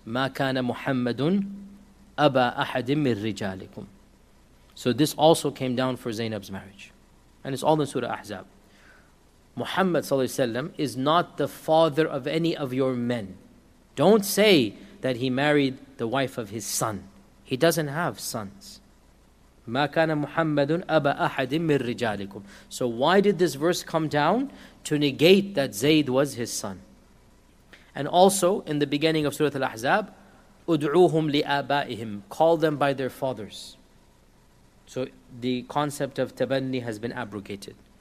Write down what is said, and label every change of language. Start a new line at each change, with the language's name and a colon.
Arabic: مَا كَانَ مُحَمَّدٌ أَبَا أَحَدٍ مِّن رِجَالِكُمْ.
English: So this also came down for Zainab's marriage. And it's all in Surah Ahzab. Muhammad sallallahu alayhi wa sallam is not the father of any of your men. Don't say that he married the wife of his son. He doesn't have sons.
Arabic: مَا كَانَ مُحَمَّدٌ أَبَا أَحَدٍ مِنْ رِجَالِكُمْ.
English: So why did this verse come down? To negate that Zayd was his son. And also in the beginning of Surah Al-Ahzab,
Arabic: أُدْعُوهُمْ لِآبَائِهِمْ.
English: Call them by their fathers. So the concept of tabanni has been abrogated.